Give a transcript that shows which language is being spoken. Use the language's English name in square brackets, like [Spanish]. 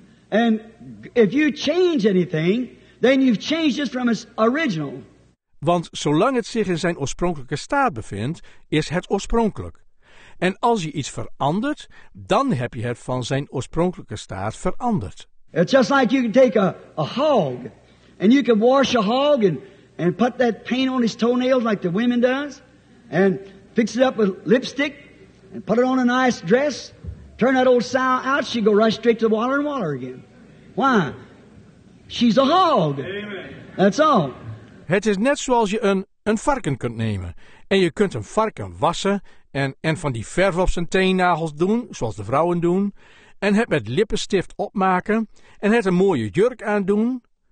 [English] And if you change anything, then you've changed it from its original. [Dutch] Want zolang het zich in zijn oorspronkelijke staat bevindt, is het oorspronkelijk. En als je iets verandert, dan heb je het van zijn oorspronkelijke staat veranderd. [English] It's just like you can take a hog and you can wash a hog and put that paint on his toenails like the women does and fix it up with lipstick and put it on a nice dress, turn that old sow out, she go right straight to the water and water again. Why? She's a hog. Amen. That's all. [Dutch] Het is net zoals je een varken kunt nemen. En je kunt een varken wassen en van die verf op zijn teennagels doen, zoals de vrouwen doen. En het met lippenstift opmaken en het een mooie jurk aandoen.